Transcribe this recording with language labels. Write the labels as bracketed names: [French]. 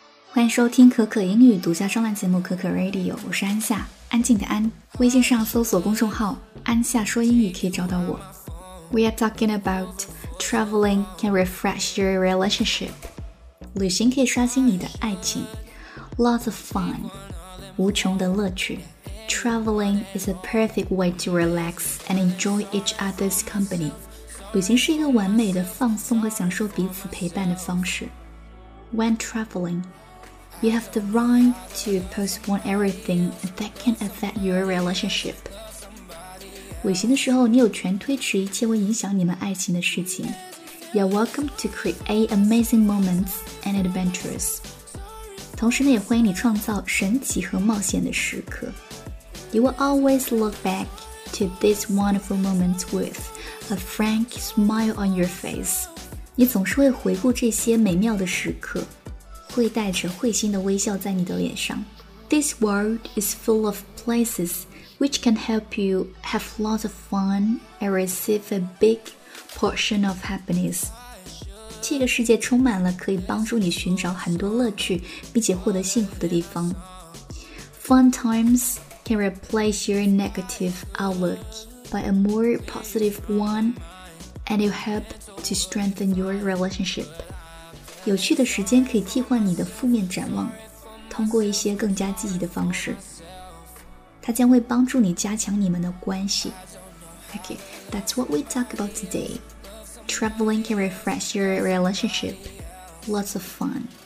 [Chinese] 欢迎收听可可英语独家专栏节目可可 Radio， 我是安夏，安静的安。微信上搜索公众号安夏说英语可以找到我。 [English] We are talking about traveling can refresh your relationship. [Chinese] 旅行可以刷新你的爱情。 [English] Lots of fun. [Chinese] 无穷的乐趣。 [English] Traveling is a perfect way to relax and enjoy each other's company. [Chinese] 旅行是一个完美的放松和享受彼此陪伴的方式。 [English] When traveling,You have the right to postpone everything that can affect your relationship. [Chinese] 旅行的时候，你有权推迟一切会影响你们爱情的事情。 [English] You're welcome to create amazing moments and adventures. [Chinese] 同时呢，也欢迎你创造神奇和冒险的时刻。 [English] You will always look back to these wonderful moments with a frank smile on your face. [Chinese] 你总是会回顾这些美妙的时刻。会带着会心的微笑在你的脸上。 [English] This world is full of places which can help you have lots of fun and receive a big portion of happiness. [Chinese] 这个世界充满了可以帮助你寻找很多乐趣并且获得幸福的地方。 [English] Fun times can replace your negative outlook by a more positive one and it'll help to strengthen your relationship. [Chinese] 有趣的时间可以替换你的负面展望，通过一些更加积极的方式，它将会帮助你加强你们的关系。 [English] Okay, that's what we talk about today. Traveling can refresh your relationship. Lots of fun.